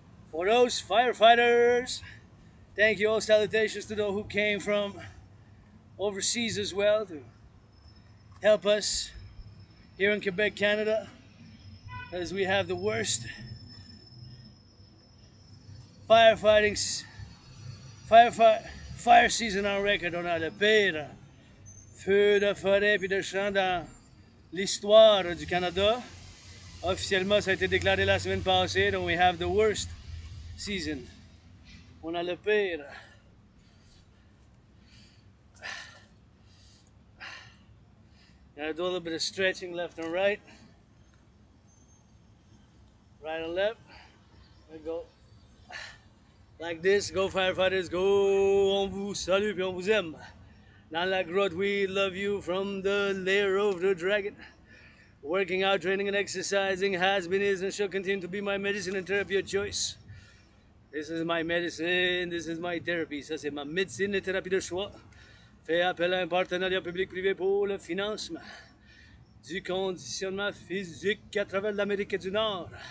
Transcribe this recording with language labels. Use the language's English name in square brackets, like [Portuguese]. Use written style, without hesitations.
[English] For those firefighters, thank you all, salutations to those who came from overseas as well to help us here in Quebec, Canada, as we have the worst fire season on record. [French] On a le pire feu de forêt puis de champ dans l'histoire du Canada. Officiellement, ça a été déclaré la semaine passée, donc [English] we have the worst season. [French] On a le pire. [English] Gotta do a little bit of stretching left and right. Right and left. There we go. Like this. Go firefighters. Go. [French] On vous salue puis on vous aime. Dans la grotte, [English] we love you from the lair of the dragon. Working out, training, and exercising has been, is, and shall continue to be my medicine and therapy of choice. This is my medicine, this is my therapy. [French] Ça, c'est ma médecine et thérapie de choix. Fais appel à un partenariat public-privé pour le financement du conditionnement physique à travers l'Amérique du Nord.